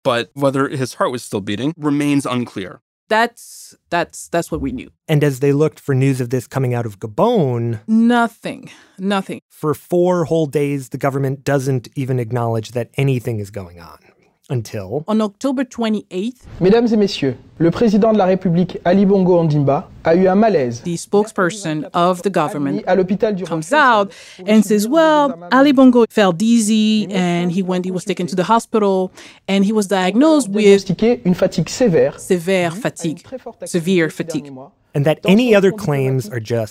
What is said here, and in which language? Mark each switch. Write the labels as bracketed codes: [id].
[en] But whether his heart was still beating remains unclear. That's what we knew. And as they looked for news of this coming out of Gabon... Nothing. For 4 whole days, the government doesn't even acknowledge that anything is going on. Until... On October 28th... [fr] Mesdames et messieurs, le président de la République, Ali Bongo Ondimba, a eu un malaise. [en] The spokesperson of the government comes out and says, well, Ali Bongo felt dizzy and he was taken to the hospital and he was diagnosed with... [fr] Une fatigue sévère. [en] Severe fatigue. And that any other claims are just...